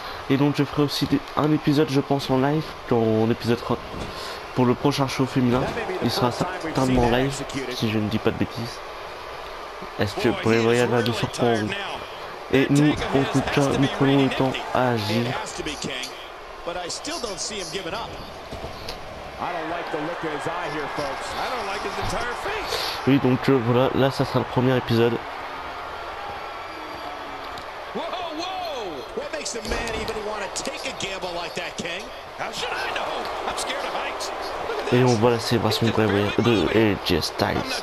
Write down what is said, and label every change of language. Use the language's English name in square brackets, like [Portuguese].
[French] Et donc je ferai aussi un épisode, je pense, en live, dans l'épisode 3, pour le prochain show féminin. Il sera certainement en live, si je ne dis pas de bêtises. Est-ce que Bray Wyatt va nous surprendre? Et nous, en tout cas, nous prenons le temps à agir. [English] but I still don't see him giving up. I don't like the look of his eye here, folks. I don't like his entire face. [French] Oui, donc voilà, là ça sera le premier épisode. Whoa, whoa! What makes a man even want to take a gamble like that, King? How should I know? I'm scared of heights. Et on voit la célébration de Bray Wyatt de AJ Styles.